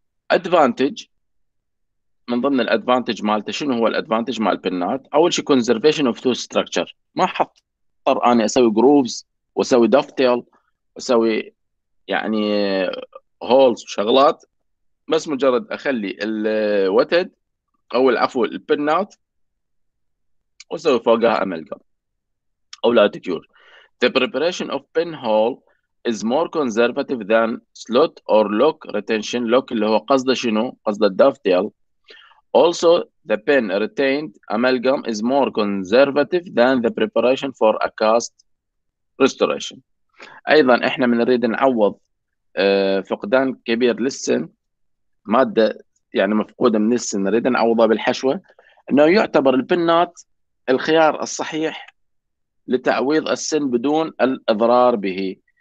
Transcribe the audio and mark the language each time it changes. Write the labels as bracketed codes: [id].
[ar] ادفانتج من ضمن الادفانتج مالته شنو هو الادفانتج مال البنات؟ اول شيء [en] conservation of tooth structure, [ar] ما حضطر اني اسوي جروفز واسوي دافتيل واسوي يعني هولز وشغلات، بس مجرد اخلي الوتد او العفو البنات واسوي فوقها امالجام او لاتيكيور. [en] The preparation of pinhole is more conservative than slot or lock retention. [ar] Lock اللي هو قصده شنو؟ قصده الدافتيل. [en] Also, the pin retained amalgam is more conservative than the preparation for a cast restoration. [ar] أيضا إحنا من نريد نعوض فقدان كبير للسن، مادة يعني مفقودة من السن نريد نعوضها بالحشوة، إنه يعتبر البنات الخيار الصحيح لتعويض السن بدون الإضرار به.